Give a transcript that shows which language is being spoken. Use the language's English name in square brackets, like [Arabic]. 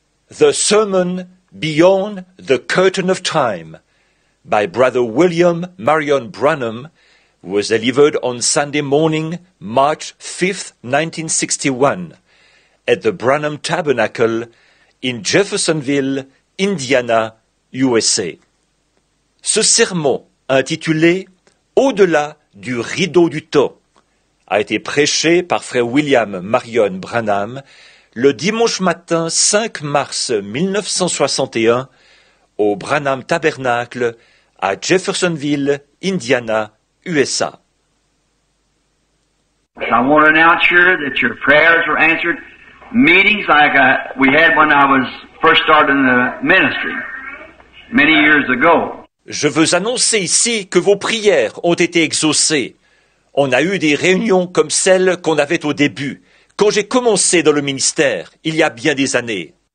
[English] The Sermon Beyond the Curtain of Time by Brother William Marion Branham was delivered on Sunday morning, March 5, 1961, at the Branham Tabernacle in Jeffersonville, Indiana, USA. [French] Ce sermon, intitulé « Au-delà du rideau du temps », a été prêché par Frère William Marion Branham le dimanche matin 5 mars 1961 au Branham Tabernacle à Jeffersonville, Indiana, USA. [English] I want to announce here that your prayers were answered. Meetings like we had when I was first starting the ministry many years ago. [French] Je veux annoncer ici que vos prières ont été exaucées. On a eu des réunions comme celles qu'on avait au début, quand j'ai commencé dans le ministère, il y a bien des années.